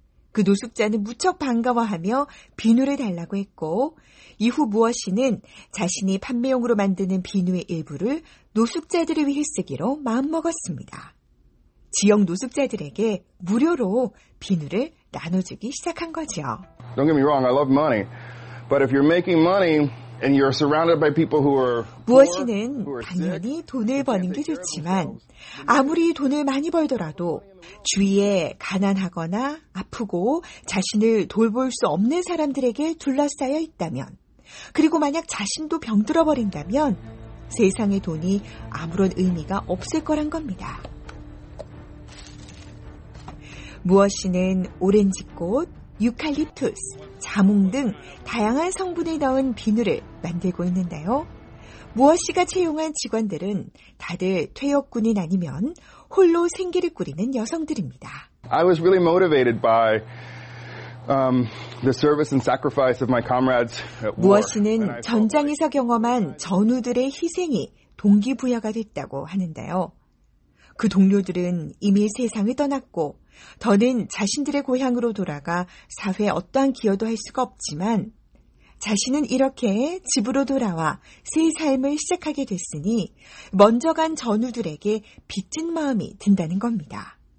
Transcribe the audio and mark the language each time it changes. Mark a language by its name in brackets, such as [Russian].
[Korean] 그 노숙자는 무척 반가워하며 비누를 달라고 했고 이후 무엇이는 자신이 판매용으로 만드는 비누의 일부를 노숙자들을 위해 쓰기로 마음먹었습니다. 지역 노숙자들에게 무료로 비누를 나눠주기 시작한 거죠. [English] Don't get me wrong, I love money. But if you're making money and you're surrounded by people who are [Korean] 무엇이는 당연히 돈을 버는 게 좋지만 아무리 돈을 많이 벌더라도 주위에 가난하거나 아프고 자신을 돌볼 수 없는 사람들에게 둘러싸여 있다면 그리고 만약 자신도 병들어 버린다면 세상의 돈이 아무런 의미가 없을 거란 겁니다. 무엇이는 오렌지꽃, 유칼립투스, 자몽 등 다양한 성분을 넣은 비누를 만들고 있는데요. 무엇이가 채용한 직원들은 다들 퇴역군인 아니면 홀로 생계를 꾸리는 여성들입니다. [English] I was really motivated by the service and sacrifice of my comrades at war. [Korean] 무엇이는 전장에서 경험한 전우들의 희생이 동기부여가 됐다고 하는데요. 그 동료들은 이미 세상을 떠났고 더는 자신들의 고향으로 돌아가 사회에 어떠한 기여도 할 수가 없지만 자신은 이렇게 집으로 돌아와 새 삶을 시작하게 됐으니 먼저 간 전우들에게 빚진 마음이 든다는 겁니다.